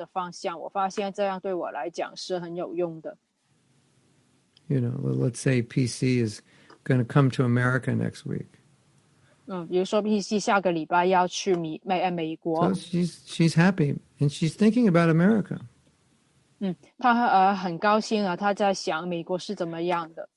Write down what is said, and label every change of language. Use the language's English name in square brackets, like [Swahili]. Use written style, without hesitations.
[Chinese] 我常常在反省自己在Krishna自觉里面，在什么的位置，我现在要去什么的方向，我发现这样对我来讲是很有用的。 [English] You know, let's say PC is going to come to America next week. [Chinese] 比如说PC下个礼拜要去美国。 [English] So she's happy, and she's thinking about America. [Chinese] 她很高兴，她在想美国是怎么样的。